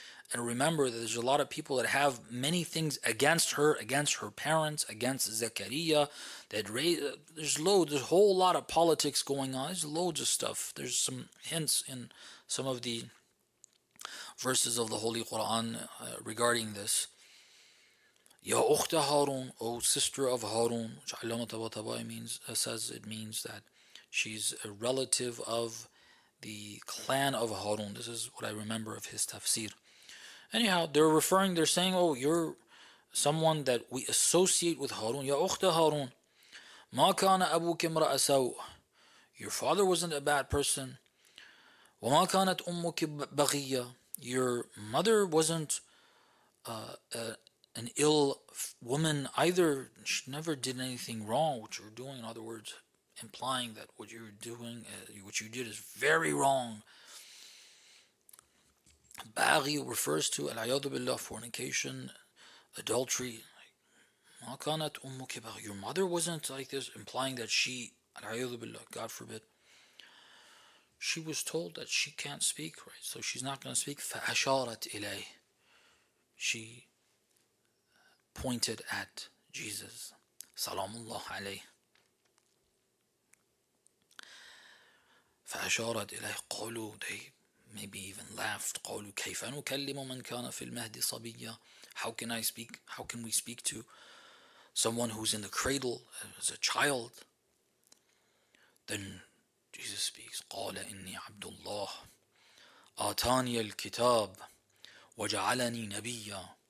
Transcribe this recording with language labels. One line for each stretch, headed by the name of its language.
English: And remember that there's a lot of people that have many things against her parents, against Zechariah. There's a whole lot of politics going on. There's loads of stuff. There's some hints in some of the verses of the Holy Quran regarding this.
Arabic: يا أخت هارون أو
English: sister of
Arabic: هارون.
English: علامة طباطبائي means says it means that she's a relative of the clan of هارون. This is what I remember of his tafsir. Anyhow, they're referring, they're saying, oh, you're someone that we associate with هارون.
Arabic: يا أخت هارون ما كان أبوك امرأ سوء.
English: Your father wasn't a bad person.
Arabic: وما كانت أمك بغية.
English: Your mother wasn't an ill woman either. She never did anything wrong, which you're doing. In other words, implying that what you're doing, what you did is very wrong. Baghi refers to al-ayadu billah, fornication, adultery.
Arabic: مَا كَانَتْ أُمُّكِ بَغِيَّةً.
English: Your mother wasn't like this, implying that she, al-ayadu billah, God forbid, she was told that she can't speak, right? So she's not going to speak.
Arabic: فَأَشَارَتْ إِلَيْهِ.
English: She pointed at Jesus,
Arabic: سلام الله عليه. فَأَشَارَتْ إِلَيْهِ.
English: قَالُوا, they maybe even laughed.
Arabic: قَالُوا كَيْفَ نُكَلِّمُ مَنْ كَانَ فِي الْمَهْدِ صَبِيًّا.
English: How can I speak? How can we speak to someone who's in the cradle as a child? Then Jesus speaks,
Arabic: قَالَ إِنِّي عَبْدُ اللَّهِ آتَانِيَ الْكِتَابِ وَجَعَلَنِي نَبِيًّا.